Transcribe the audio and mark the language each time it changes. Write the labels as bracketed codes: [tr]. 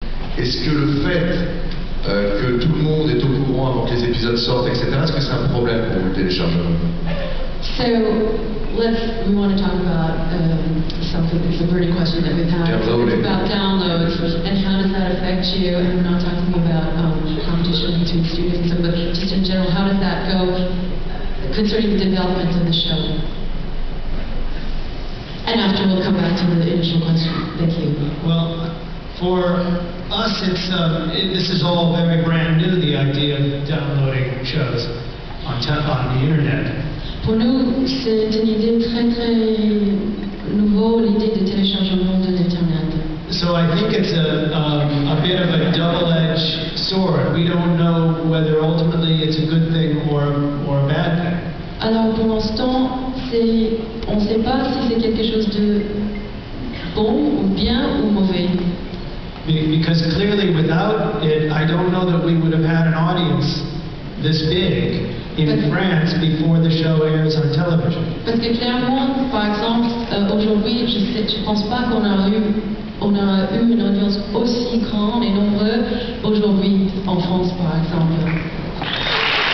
[fr] Est-ce que le fait que tout le monde est au courant avant que les épisodes sortent, etc., est-ce que c'est un problème pour vous, le téléchargement? [en] So, we want to talk about something that's a burning question that we've had. It's about downloads and how does that affect you? And we're not talking about competition between students, so, but just in general, how does that go concerning the development of the show? And after we'll come back to the initial question. Thank you. Well, for us, it's this is all very brand new, the idea of downloading shows on the internet. [fr] Pour nous, c'est une idée très très nouveau, l'idée de téléchargement de l'internet. [en] So I think it's a bit of a double-edged sword. We don't know whether ultimately it's a good thing or a bad thing. [fr] Alors pour l'instant, on ne sait pas si c'est quelque chose de bon ou bien ou mauvais. [en] Because clearly without it, I don't know that we would have had an audience this big in France before the show airs on television. [fr] Parce que clairement, par exemple, aujourd'hui, je ne pense pas qu'on a eu une audience aussi grande et nombreuse aujourd'hui en France, par exemple.